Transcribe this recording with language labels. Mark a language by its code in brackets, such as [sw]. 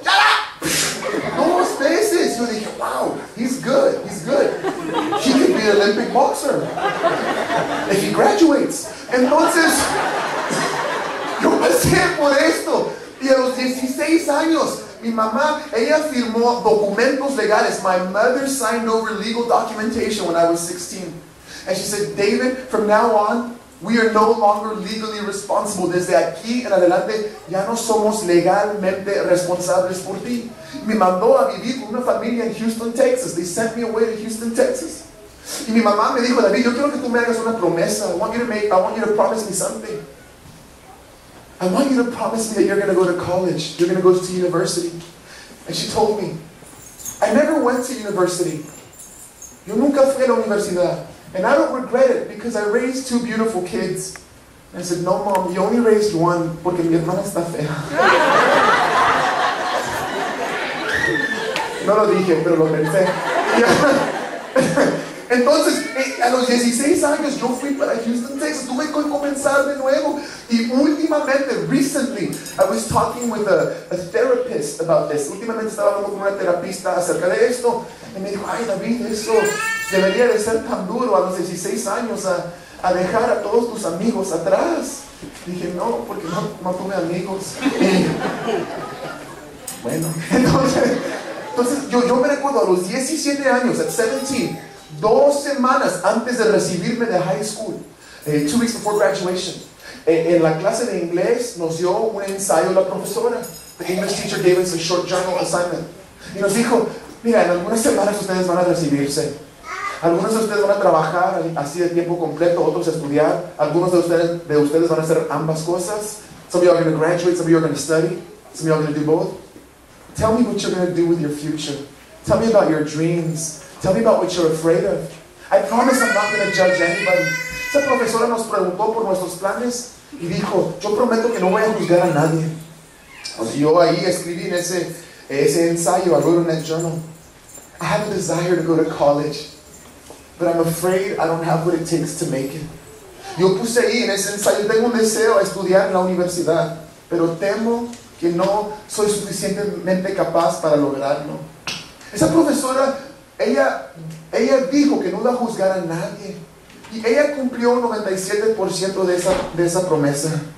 [es] ¡Ya! Dos veces. Yo dije, wow, [en] he's good. He can be an Olympic boxer. And he graduates. [es] Entonces, yo pasé por esto. Y a los 16 años, mi mamá, ella firmó documentos legales. [en] My mother signed over legal documentation when I was 16. And she said, David, from now on, we are no longer legally responsible. [es] Desde aquí en adelante, ya no somos legalmente responsables por ti. Me mandó a vivir con una familia en Houston, Texas. [en] They sent me away to Houston, Texas. [es] Y mi mamá me dijo, David, yo quiero que tú me hagas una promesa. [en] I want you to promise me something. I want you to promise me that you're going to go to college. You're going to go to university. And she told me, I never went to university. [es] Yo nunca fui a la universidad. [en] And I don't regret it because I raised 2 beautiful kids. And I said, no, mom, you only raised one [es] porque mi hermana está fea. No lo dije, pero lo pensé. Entonces, a los 16 años, yo fui para Houston, Texas. Tuve que comenzar de nuevo. Y últimamente, [en] recently, I was talking with a therapist about this. [es] Últimamente estaba hablando con una terapista acerca de esto. Y me dijo, ay, David, eso debería de ser tan duro a los 16 años a dejar a todos tus amigos atrás. Y dije, no, porque no tuve amigos. Bueno, entonces yo me recuerdo a los 17 años, [en] at 17, [es] 2 semanas antes de recibirme de high school, [en] 2 weeks before graduation, [es] En la clase de inglés nos dio un ensayo la profesora. [en] The English teacher gave us a short journal assignment. [es] Y nos dijo, mira, en algunas semanas ustedes van a recibirse. Algunos de ustedes van a trabajar así de tiempo completo, otros a estudiar. Algunos de ustedes van a hacer ambas cosas. [en] Some of you are going to graduate, some of you are going to study, some of you are going to do both. Tell me what you're going to do with your future. Tell me about your dreams. Tell me about what you're afraid of. I promise I'm not going to judge anybody. [es] Esa profesora nos preguntó por nuestros planes y dijo, yo prometo que no voy a juzgar a nadie. Entonces yo ahí escribí en ese ensayo, [en] I wrote in that journal. I have a desire to go to college, but I'm afraid I don't have what it takes to make it. [es] Yo puse ahí en ese ensayo, tengo un deseo a estudiar en la universidad, pero temo que no soy suficientemente capaz para lograrlo. Esa profesora, ella dijo que no iba a juzgar a nadie. Y ella cumplió un 97% de esa promesa.